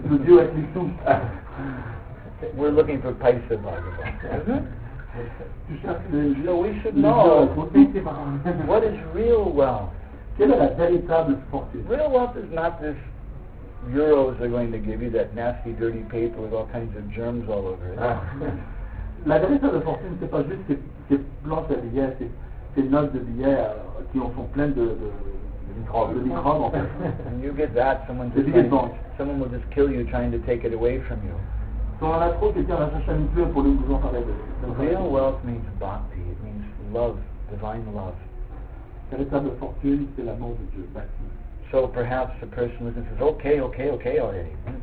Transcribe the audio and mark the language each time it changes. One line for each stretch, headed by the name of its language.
English: We're looking for Paisa Bhagavan. So we should know what is real wealth. Real wealth is not this euros are going to give you, that nasty, dirty paper with all kinds of germs all over it.
French: La vérité de fortune, c'est pas juste ces blanches de billets, ces notes de billets qui en sont pleines de microbes.
English: When you get that, someone will just kill you trying to take it away from you. Real wealth means bhakti, it means love, divine love.
French: La vérité de fortune, c'est l'amour de Dieu, bhakti.
English: So perhaps the person listening says, okay already.